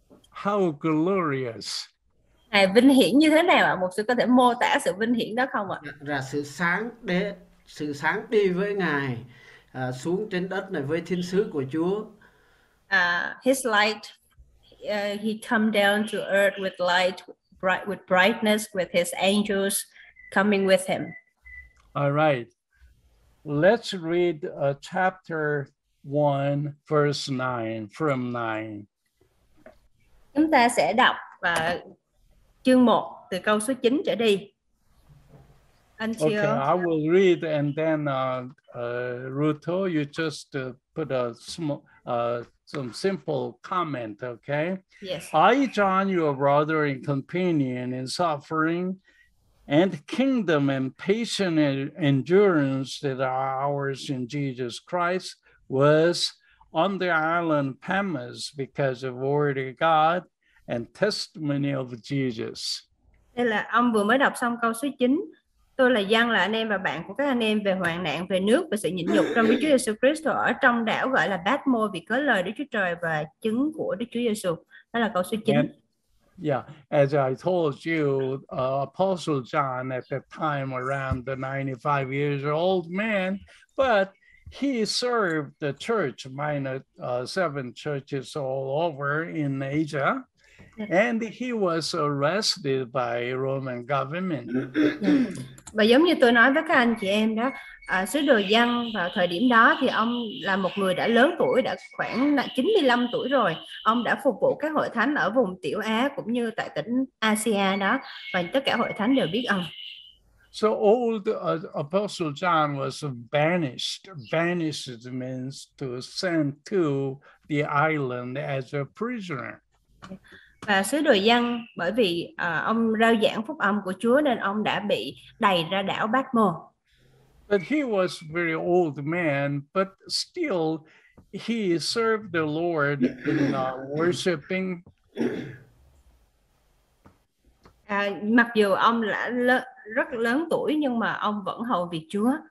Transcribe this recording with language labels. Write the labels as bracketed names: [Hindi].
[English] How glorious? [Vietnamese] Ngài vinh hiển như thế nào ạ? Một sư có thể mô tả sự vinh hiển đó không ạ? Là sự sáng đi với ngài. Xuống trên đất này với thiên sứ của Chúa. [English] His light, he come down to earth with light, with brightness, with his angels coming with him. All right. Let's read chapter 1, verse 9, from 9. [Vietnamese] Chúng ta sẽ đọc chương 1 từ câu số 9 trở đi. [English] Okay, I will read and then Ruto, you just put a small some simple comment, okay? Yes. I, John, your brother and companion in suffering and kingdom and patient and endurance that are ours in Jesus Christ, was on the island Patmos because of word of God and testimony of Jesus. [Vietnamese] Đây là ông vừa mới đọc xong câu số 9. Tôi là Giăng, là anh em và bạn của các anh em về hoạn nạn, về nước, về sự nhịn nhục trong Đức Chúa Giêsu Christ ở trong đảo gọi là Patmo vì cớ lời Đức Chúa Trời và chứng của Đức Chúa Giêsu. Đó là câu số 9. [English] And, as I told you, Apostle John at that time around the 95 years old man, but he served the church, minor seven churches all over in Asia. And he was arrested by Roman government. [Vietnamese] Và giống như tôi nói với các anh chị em đó, sứ đồ Giăng vào thời điểm đó thì ông là một người đã lớn tuổi, đã khoảng 95 tuổi rồi. Ông đã phục vụ các hội thánh ở vùng Tiểu Á cũng như tại tỉnh Asia đó, và tất cả hội thánh đều biết ông. [English] So old Apostle John was banished. Banished means to send to the island as a prisoner. [Vietnamese] Và sứ đồ Giăng bởi vì ông rao giảng phúc âm của Chúa nên ông đã bị đày ra đảo Patmo. [English] But he was very old man, but still he served the Lord in worshiping. [Vietnamese] Mặc dù ông đã rất lớn tuổi nhưng mà ông vẫn hầu việc Chúa.